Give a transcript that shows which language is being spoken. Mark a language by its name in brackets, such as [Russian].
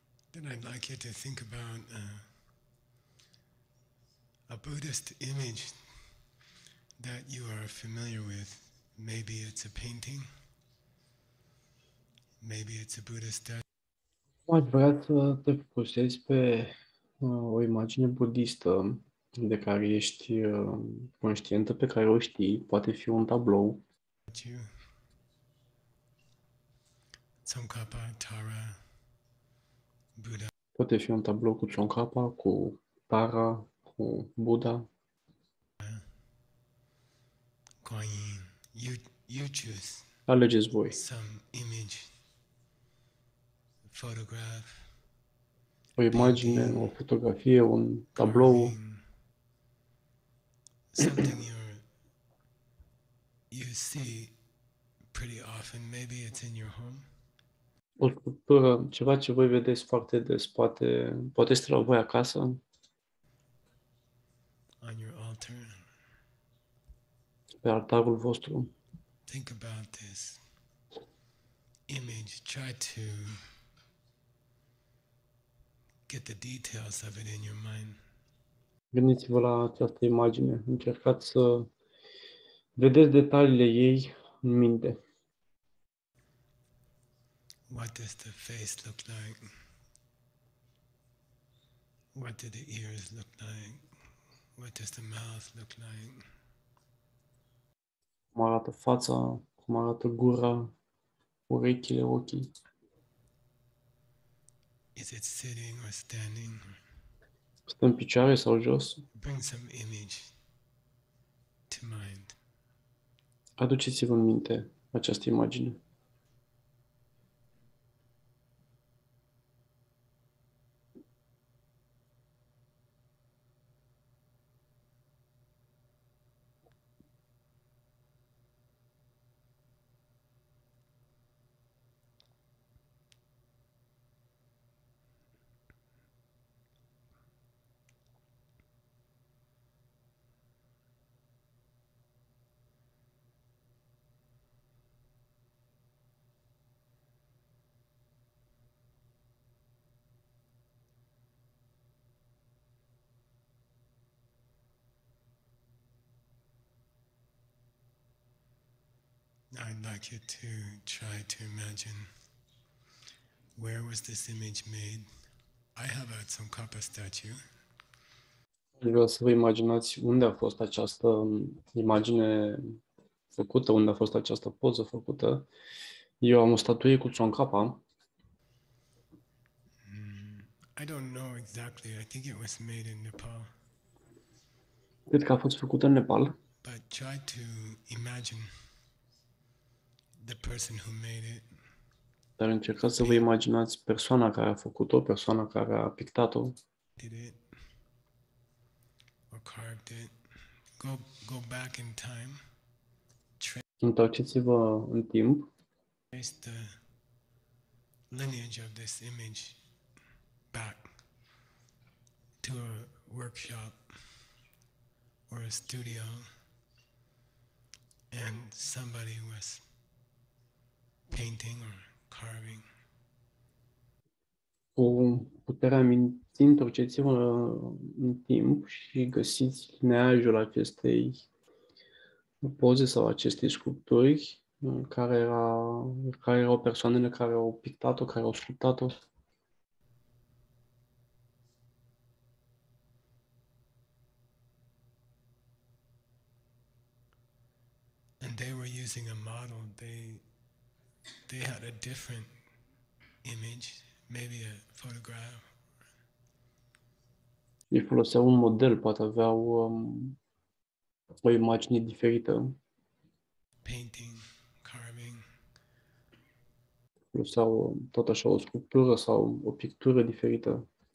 [English] Then I'd like you to think about a Buddhist image that you are familiar with. Maybe it's a painting. Maybe it's a Buddhist statue. [Romanian] Aș vrea să te focusezi pe o imagine budistă de care ești conștientă, pe care o știi. Poate fi un tablou. [English] Tsongkhapa, Thara. Buddha. [Romanian] Poate fi un tablou cu Tsongkhapa, cu Thara, cu Buddha. [English] Guanyin, you choose. [Romanian] Alegeți voi. [English] Some image, photograph. [Romanian] O imagine, o fotografie, un tablou. [English] Carving, something you see pretty often. Maybe it's in your home. [Romanian] O sculptură, ceva ce voi vedeți foarte des, poate este la voi acasă. [English] On your altar. [Romanian] Pe altarul vostru. [English] Think about this image. Try to get the details of it in your mind. [Romanian] Gândiți-vă la această imagine. Încercați să vedeți detaliile ei în minte. [English] What does the face look like? What do the ears look like? What does the mouth look like? [Romanian] Cum arată fața, cum arată gura, urechile, ochii? [English] Is it sitting or standing? [Romanian] Stă în picioare sau jos? [English] Bring some image to mind. [Romanian] Aduceți-vă în minte această imagine. [English] I'd like you to try to imagine where was this image made. I have a Tsongkhapa statue. [Romanian] Vreau să vă imaginați unde a fost această imagine făcută, unde a fost această poză făcută. Eu am o statuie cu Tsongkhapa. [English] I don't know exactly. I think it was made in Nepal. [Romanian] Cred că a fost făcută în Nepal. [English] But try to imagine the person who made it. [Romanian] Dar încercați să vă imaginați persoana care a făcut-o, persoana care a pictat-o. [English] Did it or carved it. Go back in time. [Romanian] Întoarceți-vă în timp. [English] Trace the lineage of this image back to a workshop or a studio, and somebody was painting or carving. [Romanian] Cu puterea minții, întorceți-vă în timp și găsiți lineajul acestei poze sau acestei sculpturi, care erau persoanele care au pictat-o, care au sculptat-o. [English] And they were using a model. They had a different image, maybe a photograph. [Romanian] Ei foloseau un model, poate aveau o imagine diferită. [English] Painting, carving. [Romanian] Foloseau tot așa o sculptură sau o pictură diferită.